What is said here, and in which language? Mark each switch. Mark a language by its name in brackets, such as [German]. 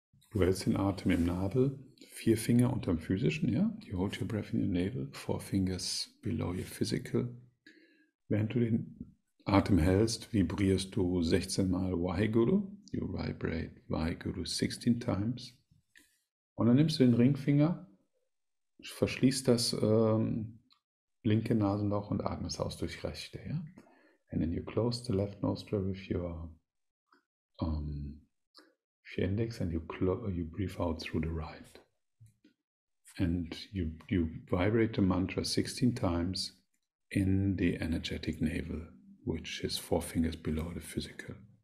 [German] Du hältst den Atem im Nabel, vier Finger unterm physischen, ja? [English] You hold your breath in your navel, four fingers below your physical. [German] Während du den Atem hältst, vibrierst du 16 Mal Waheguru. [English] You vibrate Waheguru 16 times. [German] Und dann nimmst du den Ringfinger, verschließt das linke Nasenloch und atmest aus durch rechte, ja? [English] And then you close the left nostril with your index and you breathe out through the right. And you vibrate the mantra 16 times in the energetic navel, which is four fingers below the physical.